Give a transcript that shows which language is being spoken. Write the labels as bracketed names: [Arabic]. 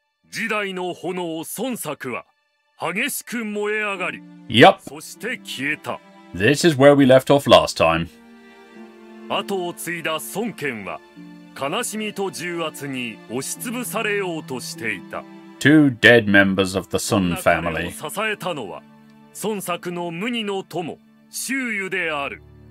[Japanese] 時代の炎孫策は激しく燃え上がり、 [English] yep. [Japanese] そして消えた。 [English] This is where we left off last time. [Japanese] 後を継いだ孫権は悲しみと重圧に押しつぶされようとしていた。 [English] Two dead members of the Sun family. [Japanese] 支えたのは孫策の無二の友、周瑜である。